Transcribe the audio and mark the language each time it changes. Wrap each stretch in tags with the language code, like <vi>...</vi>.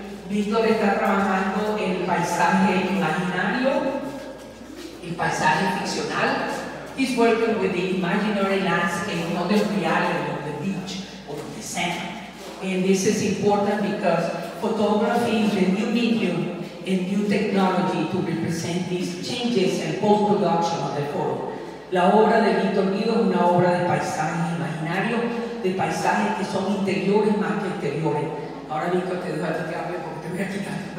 <es>Víctor está trabajando el paisaje imaginario, el paisaje ficcional.</es> <en>He's working with the imaginary landscape, not the reality of the beach or the sand. And this is important because photography is a new medium and new technology to represent these changes in post-production of the photo.</en> <es>La obra de VicKguido es una obra de paisaje imaginario, de paisajes que son interiores más que exteriores. Ahora Víctor, te dejo a ti que hable porque te voy a quitar.</es>